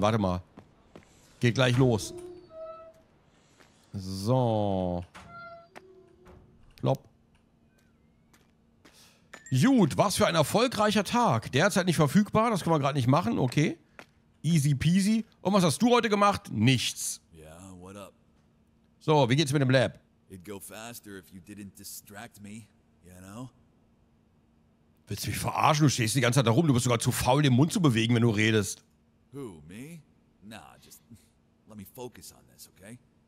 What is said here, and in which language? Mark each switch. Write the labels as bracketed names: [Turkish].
[German] Warte mal. Geht gleich los. So. Plopp. Gut, was für ein erfolgreicher Tag. Derzeit nicht verfügbar, das können wir gerade nicht machen, okay. [English] Easy peasy. [German] Und was hast du heute gemacht? Nichts. [English] Yeah, what up? [German] So, wie geht's mit dem Lab? [English] It'd go faster if you didn't distract me, you know? [German] Willst du mich verarschen? Du stehst die ganze Zeit da rum. Du bist sogar zu faul, den Mund zu bewegen, wenn du redest. [English] Who, me? Nah, just let me focus on this, okay?